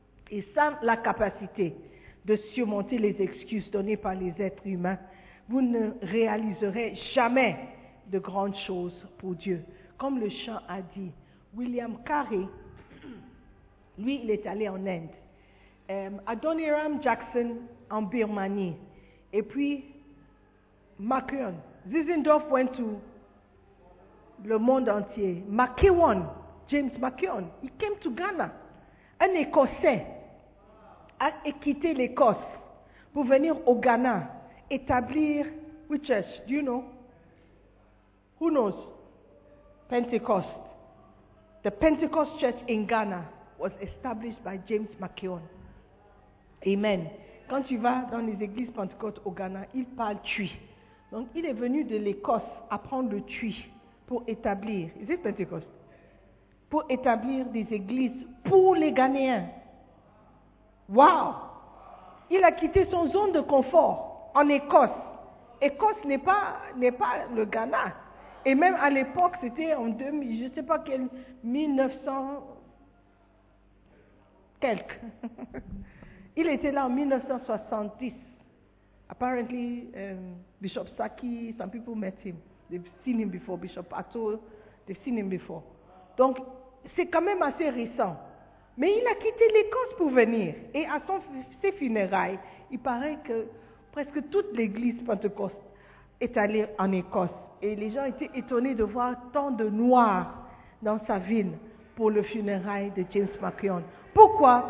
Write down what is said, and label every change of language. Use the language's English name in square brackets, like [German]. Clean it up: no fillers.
[French] Et sans la capacité de surmonter les excuses données par les êtres humains, vous ne réaliserez jamais de grandes choses pour Dieu. Comme le chant a dit, William Carey, lui, il est allé en Inde, Adoniram Jackson en Birmanie, et puis McEwan. Zinzendorf [English] went to [French] le monde entier. [English] McEwan, James McEwan, he came to Ghana. [French] Un Écossais a quitté l'Écosse pour venir au Ghana établir [English] which church, do you know? Who knows? [French] Pentecost. [English] The Pentecost Church in Ghana was established by James McKeown. Amen. [French] Quand tu vas dans les églises pentecôtes au Ghana, il parle tui. Donc, il est venu de l'Écosse apprendre le tui pour établir, c'est Pentecôte, pour établir des églises pour les Ghanéens. Wow! Il a quitté son zone de confort en Écosse. Écosse n'est pas le Ghana. Et même à l'époque, c'était en 2000, je ne sais pas quel, 1900 quelques. Il était là en 1970. [English] Apparently, Bishop Saki, some people met him. They've seen him before. Bishop Ato, they've seen him before. [French] Donc, c'est quand même assez récent. Mais il a quitté l'Écosse pour venir. Et à ses funérailles, il paraît que presque toute l'église pentecôte est allée en Écosse. Et les gens étaient étonnés de voir tant de noirs dans sa ville pour le funérail de James McKeown. Pourquoi?